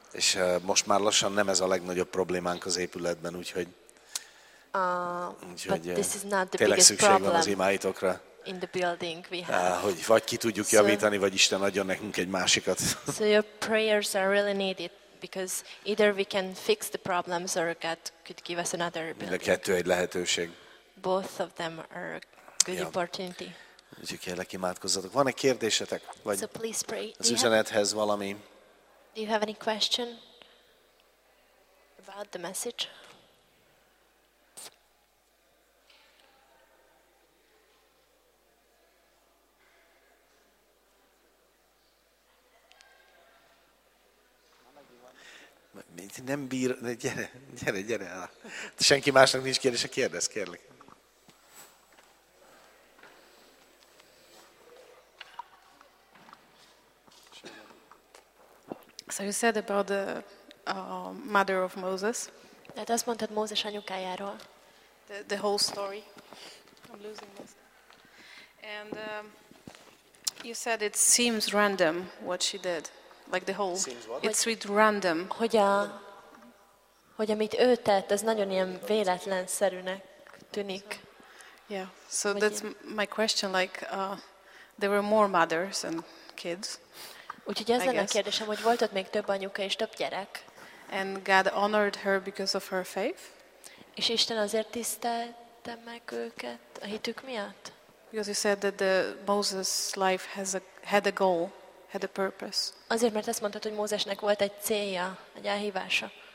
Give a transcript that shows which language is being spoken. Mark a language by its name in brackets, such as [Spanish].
[Hungarian] És most már lassan nem ez a legnagyobb problémánk az épületben, úgyhogy. [English] But this is not the [Hungarian] tényleg [English] biggest problem. [Hungarian] Szükség van az imáitokra. [English] In the building we have. [Hungarian] Hogy vagy ki tudjuk javítani, vagy Isten adjon nekünk egy másikat. [English] So your prayers are really needed because either we can fix the problems or God could give us another building. [Hungarian] A kettő egy lehetőség. [English] Both of them are a good opportunity. [Hungarian] Úgyhogy kérlek, imádkozzatok. Van egy kérdésetek? Vagy [English] so please pray. [Hungarian] Az üzenethez valami? [English] Do you have any question about the message? [Hungarian] Nem bír, gyere. Senki másnak nincs kérdése, kérdez, kérlek. [English] So you said about the mother of Moses. [Hungarian] Tehát azt mondtad Mózes anyukájáról. [English] The whole story. I'm losing this. And you said it seems random what she did. Like the whole, it's with random. [Hungarian] Hogy amit ő tett, ez nagyon ilyen véletlenszerűnek tűnik. [English] Yeah, so that's my question, like, there were more mothers and kids. [Hungarian] Úgyhogy ez lenne a kérdésem, hogy volt ott még több anyuka és több gyerek. [English] And God honored her because of her faith. [Hungarian] És Isten azért tisztelte meg őket a hitük miatt? [English] Because you said that the Moses' life has a, had a goal, had a purpose. [Hungarian] Azért, mert azt mondtad, hogy Mózesnek volt egy célja, egy elhívása.